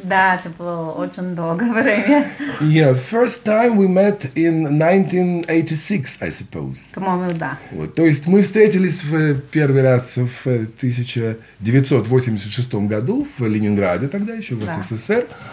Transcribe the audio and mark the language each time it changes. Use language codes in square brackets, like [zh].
[ru] Да, это было очень долгое время. [en] Yeah, first time we met in 1986, I suppose. [ru] По-моему, да. Вот. То есть мы встретились в первый раз в 1986 году в Ленинграде тогда еще, в СССР.